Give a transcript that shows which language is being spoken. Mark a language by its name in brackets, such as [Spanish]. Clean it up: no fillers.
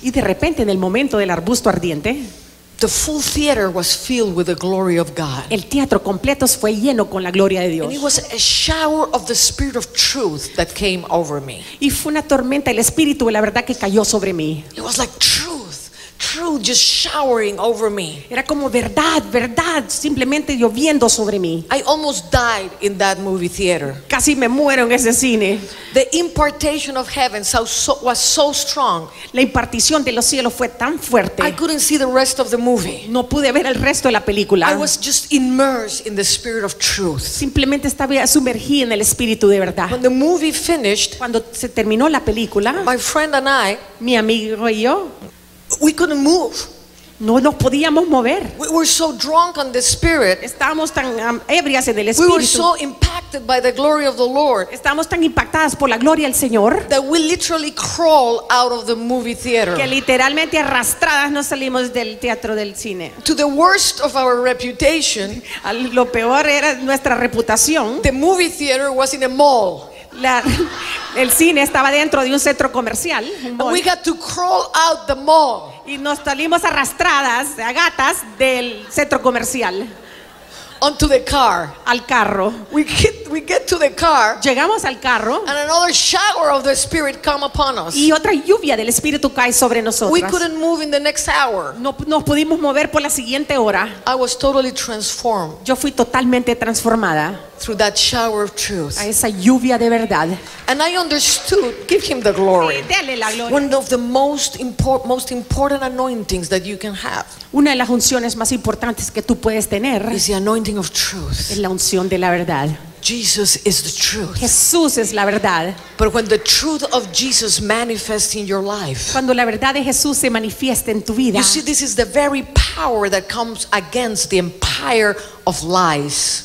[Spanish] y de repente en el momento del arbusto ardiente, [English] the full theater was filled with the glory of God. [Spanish] El teatro completo fue lleno con la gloria de Dios. [English] And it was a shower of the Spirit of Truth that came over me. [Spanish] Y fue una tormenta del Espíritu de la verdad que cayó sobre mí. [English] It was like truth just showering over me. [Spanish] Era como verdad, verdad, simplemente lloviendo sobre mí. [English] I almost died in that movie theater. [Spanish] Casi me muero en ese cine. [English] The impartation of heaven was so strong. [Spanish] La impartición de los cielos fue tan fuerte. [English] I couldn't see the rest of the movie. [Spanish] No pude ver el resto de la película. [English] I was just immersed in the Spirit of Truth. [Spanish] Simplemente estaba sumergido en el Espíritu de verdad. [English] When the movie finished, [Spanish] cuando se terminó la película, [English] my friend and I, [Spanish] mi amigo y yo, [English] we couldn't move. [Spanish] No nos podíamos mover. [English] We were so drunk on the Spirit. [Spanish] Estábamos tan ebrias en el Espíritu. [English] We were so impacted by the glory of the Lord. [Spanish] Estábamos tan impactadas por la gloria del Señor. [English] That we literally crawled out of the movie theater. [Spanish] Que literalmente arrastradas nos salimos del teatro del cine. [English] To the worst of our reputation. [Spanish] Lo peor era nuestra reputación. [English] The movie theater was in a mall. [Spanish] El cine estaba dentro de un centro comercial. [English] And we had to crawl out the mall. [Spanish] Y nos salimos arrastradas, a gatas, del centro comercial. [English] Onto the car. [Spanish] Al carro. [English] We get to the car. [Spanish] Llegamos al carro. [English] And another shower of the Spirit come upon us. [Spanish] Y otra lluvia del Espíritu cae sobre nosotros. [English] We couldn't move in the next hour. [Spanish] No nos pudimos mover por la siguiente hora. [English] I was totally transformed. [Spanish] Yo fui totalmente transformada. [English] Through that shower of truth. [Spanish] A esa lluvia de verdad. [English] And I understood, give him the glory. [Spanish] Sí, dele la gloria. [English] One of the most important anointings that you can have. [Spanish] Una de las unciones más importantes que tú puedes tener. [English] Is the anointing of truth. [Spanish] Es la unción de la verdad. [English] Jesus is the truth. [Spanish] Jesús es la verdad. [English] But when the truth of Jesus manifests in your life, [Spanish] cuando la verdad de Jesús se manifiesta en tu vida, [English] you see, this is the very power that comes against the empire of lies.